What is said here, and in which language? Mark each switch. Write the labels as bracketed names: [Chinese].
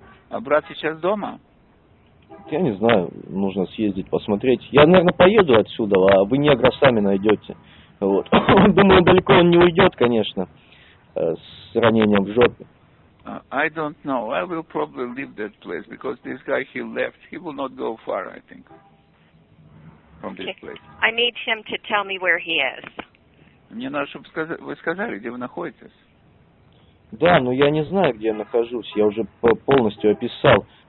[Russian] А брат сейчас дома? Я не знаю, нужно съездить, посмотреть. Я, наверное, поеду отсюда, а вы негра сами найдете. Вот. Думаю, далеко он не уйдет, конечно, с ранением в жопе. [English] I don't know. I will probably leave that place, because this guy, he left. He will not go far, I think. From this place. I need him to tell me where he is. [Russian] Мне надо, чтобы вы сказали, где вы находитесь. Да, но я не знаю, где я нахожусь. Я уже полностью описал.